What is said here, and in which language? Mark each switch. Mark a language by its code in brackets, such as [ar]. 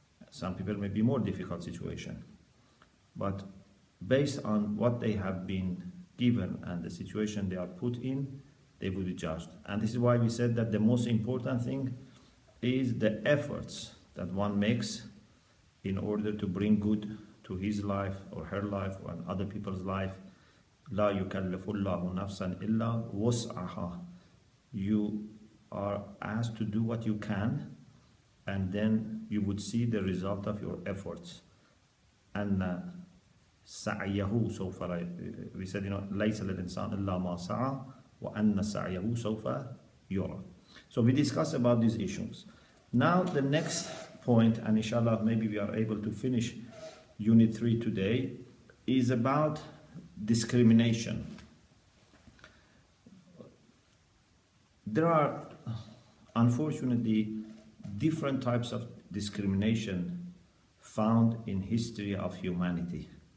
[en] Some people may be more difficult situation. But based on what they have been given and the situation they are put in, they will be judged. And this is why we said that the most important thing is the efforts that one makes in order to bring good to his life or her life or other people's life. [ar] لا يكلف الله نفسا إلا وسعها. [en] You are asked to do what you can, and then you would see the result of your efforts. [ar] أن سعيه سوف ر... [en] We said, you know, [ar] ليس للإنسان إلا ما سعى وأن سعيه سوف يرى. [en] So we discussed about these issues. Now the next point, and inshallah maybe we are able to finish Unit 3 today, is about discrimination. There are unfortunately different types of discrimination found in history of humanity.